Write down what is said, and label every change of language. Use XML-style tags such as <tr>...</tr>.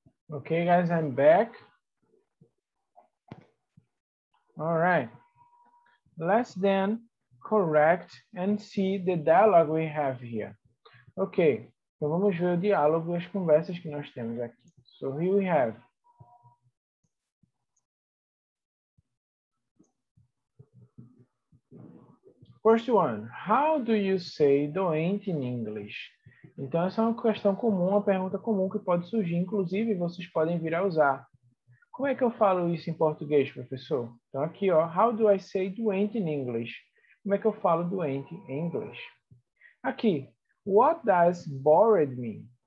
<en>Okay, guys, I'm back. All right. Let's then correct and see the dialogue we have here.</en> <pt>Okay, então vamos ver o diálogo e as conversas que nós temos aqui.</pt> <en>So here we have. First one, how do you say doente in English?</en> <pt>Então, essa é uma questão comum, uma pergunta comum que pode surgir, inclusive vocês podem vir a usar. Como é que eu falo isso em português, professor? Então, aqui, ó,</pt> <en>how do I say doente in English?</en> <pt>Como é que eu falo doente em inglês? Aqui,</pt> <en>what does bored mean?</en>